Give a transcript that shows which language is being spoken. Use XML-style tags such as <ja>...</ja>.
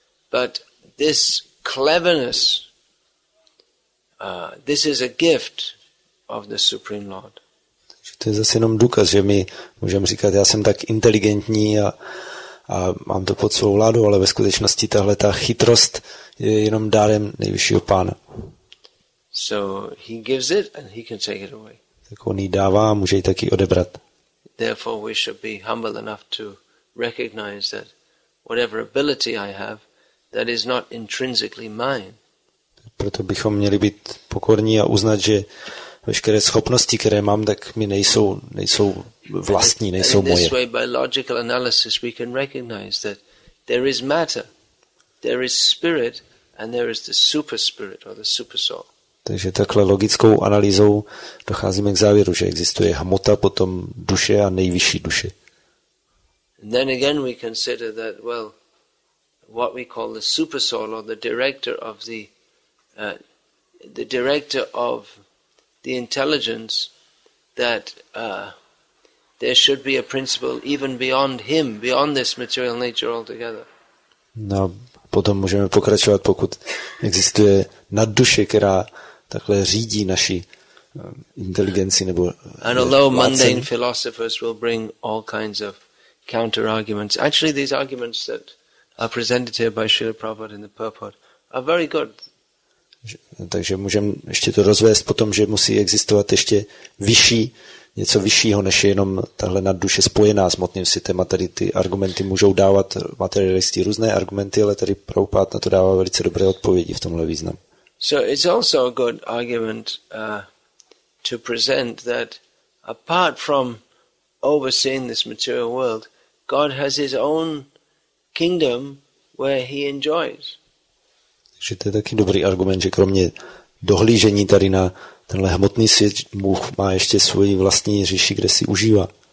<en>But this cleverness, this is a gift of the Supreme Lord.</en> <cs>Takže to je zase jenom důkaz, že my můžeme říkat, já jsem tak inteligentní a mám to pod svou vládou, ale ve skutečnosti tahle ta chytrost je jenom dárem nejvyššího pána.</cs> <en>So he gives it and he can take it away.</en> <cs>Tak on jí dává, může jí taky odebrat.</cs> <en>Therefore we should be humble enough to recognize that whatever ability I have, that is not intrinsically mine.</en> <cs>Proto bychom měli být pokorní a uznat, že veškeré schopnosti, které mám, tak mi nejsou vlastní, nejsou moje.</cs> <en>In this way, by logical analysis, we can recognize that there is matter, there is spirit, And there is the super spirit or the super soul.</en> <cs>Takže takhle logickou analýzou docházíme k závěru, že existuje hmota, potom duše a nejvyšší duše.</cs> <en>And then again we consider that, well, what we call the super soul or the director of the director of the intelligence, that there should be a principle even beyond him, beyond this material nature altogether.</en> <cs>No, potom můžeme pokračovat, pokud existuje nadduše, která takhle řídí naši inteligenci nebo</cs> <en>And although mundane philosophers will bring all kinds of counter arguments, actually these arguments that are presented here by Srila Prabhupada in the purport are very good.</en> <cs>Takže můžeme ještě to rozvést potom, že musí existovat ještě vyšší, něco vyššího, než jenom tahle nadduše spojená s hmotným světem. A tady ty argumenty můžou dávat materialisti různé argumenty, ale tady Prabhupada na to dává velice dobré odpovědi v tomhle významu.</cs> <en>So it's also a good argument to present that apart from overseeing this material world, God has his own kingdom where he enjoys.</en> <cs>Takže to je taky dobrý argument, že kromě dohlížení tady na tenhle hmotný svět, Bůh má ještě svoji vlastní říši, kde si užívá.</cs>